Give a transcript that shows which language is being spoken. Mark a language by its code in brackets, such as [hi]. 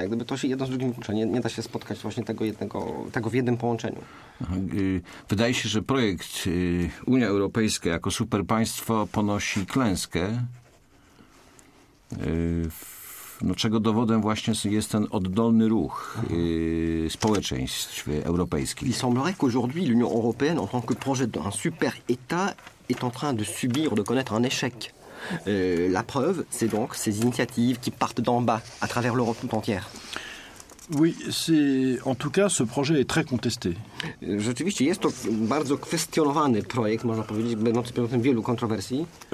[pl] Jak gdyby to się jedno z drugim wyklucza. Nie da się spotkać właśnie tego w jednym połączeniu. Wydaje się, że projekt Unia Europejska jako superpaństwo ponosi klęskę. No, czego dowodem właśnie jest ten oddolny ruch społeczeństw europejskich. [fr] Il semblerait qu'aujourd'hui l'Union européenne en tant que projet d'un super état est en train de subir de connaître un échec. La preuve, c'est donc ces initiatives qui partent d'en bas à travers l'Europe tout entière. Oui, c'est en tout cas ce projet est très contesté. [pl] Rzeczywiście jest to bardzo kwestionowany projekt, można powiedzieć, będący przedmiotem wielu kontrowersji.